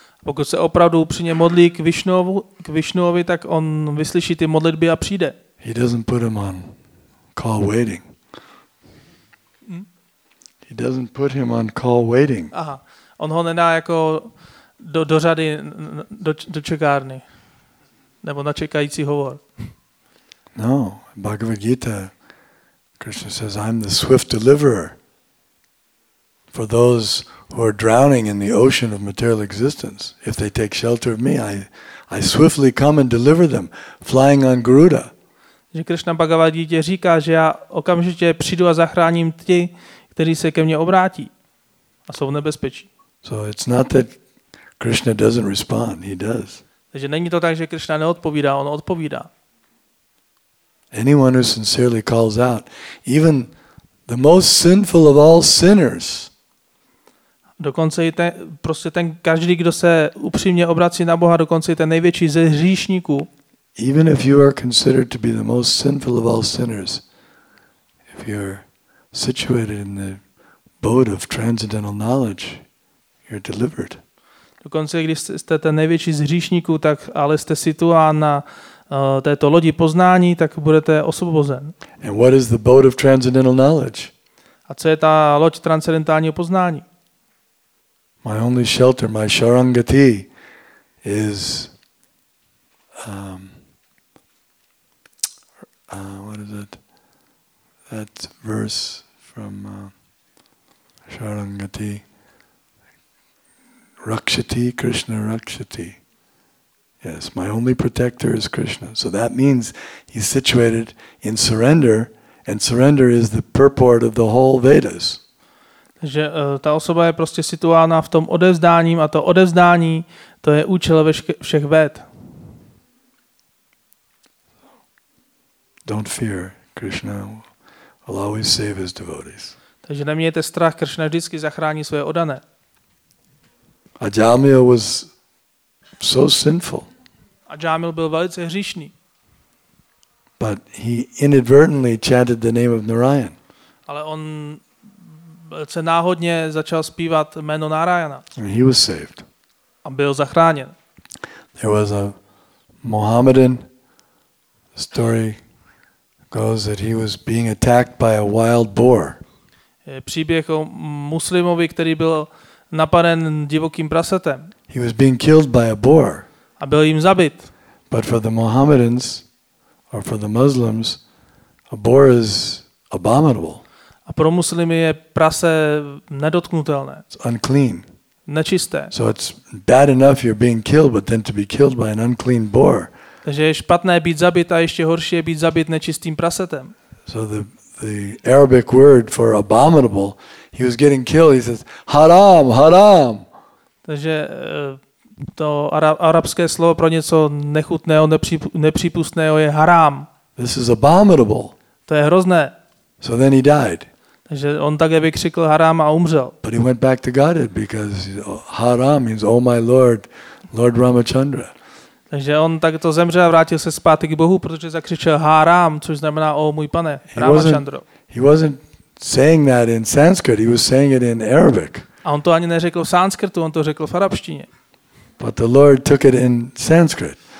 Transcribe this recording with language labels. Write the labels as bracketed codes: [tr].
[cs] Pokud se opravdu upřímně modlí k Višnovi, tak on vyslyší ty modlitby a přijde. [en] He doesn't put him on call waiting. He doesn't put him on call waiting. Aha. [cs] On ho nedá jako do řady do čekárny. Nebo na čekající hovor. [en] No, Bhagavad Gita, Krishna says, I'm the swift deliverer for those who are drowning in the ocean of material existence. If they take shelter of me, I swiftly come and deliver them, flying on Garuda. [cs] Že Krishna Bhagavad Gita říká, že já okamžitě přijdu a zachráním ty, kteří se ke mně obrátí a jsou v nebezpečí. [en] So it's not that Krishna doesn't respond, he does. [cs] Takže není to tak, že Krishna neodpovídá, on odpovídá. [en] Anyone who sincerely calls out, even the most sinful of all sinners, [cs] dokonce i ten, prostě ten každý, kdo se upřímně obrací na Boha, dokonce i ten největší ze hříšníků. [en] Even if you are considered to be the most sinful of all sinners, if you're situated in the boat of transcendental knowledge, you're delivered. [cs] Dokonce když jste ten největší z hříšníků, tak ale jste situován na této lodi poznání, tak budete osvobozen. [en] And what is the boat of transcendental knowledge? [cs] A co je ta loď transcendentálního poznání? [en] My only shelter, my sharangati, is what is it? That verse from sharangati, rakshati, Krishna rakshati. Yes, my only protector is Krishna. So that means he's situated in surrender, and surrender is the purport of the whole Vedas. [cs] Že ta osoba je prostě situována v tom odevzdání, a to odevzdání, to je účel všech věd. [en] Don't fear, Krishna will always save his devotees. [cs] Takže nemějte strach, Krishna vždycky zachrání svoje oddané. [en] Ajamil was so sinful. [cs] Ajamil byl velice hříšný. [en] But he inadvertently chanted the name of Narayan. [cs] Ale on se náhodně začal zpívat jméno Narayana. [en] And he was saved. [cs] A byl zachráněn. [en] There was a Mohammedan. The story goes that he was being attacked by a wild boar. [cs] Příběh o muslimovi, který byl napaden divokým prasetem. [en] He was being killed by a boar. [cs] A byl jim zabit. [en] But for the Mohammedans or for the Muslims, a boar is abominable. [cs] A pro muslimy je prase nedotknutelné. [en] It's unclean. [cs] Nečisté. [en] So it's bad enough you're being killed, but then to be killed by an unclean boar. [cs] Takže je špatné být zabit, a ještě horší je být zabit nečistým prasetem. [en] So the Arabic word for abominable, he was getting killed. He says, haram, haram. [cs] Takže to arabské slovo pro něco nechutného, nepřípustného je haram. [en] This is abominable. [cs] To je hrozné. [en] So then he died. [cs] Takže on také vykřikl haram a umřel. [en] But he went back to Godhead because haram means oh my lord, Lord Ramachandra. [cs] Takže on tak to zemřel a vrátil se zpátky k Bohu, protože zakřičel haram, což znamená oh můj pane, Ramachandro. [en] He wasn't saying that in Sanskrit, he was saying it in Arabic. [cs] A on to ani neřekl v sanskrtu, on to řekl v arabštině. [en] But the lord took it in Sanskrit.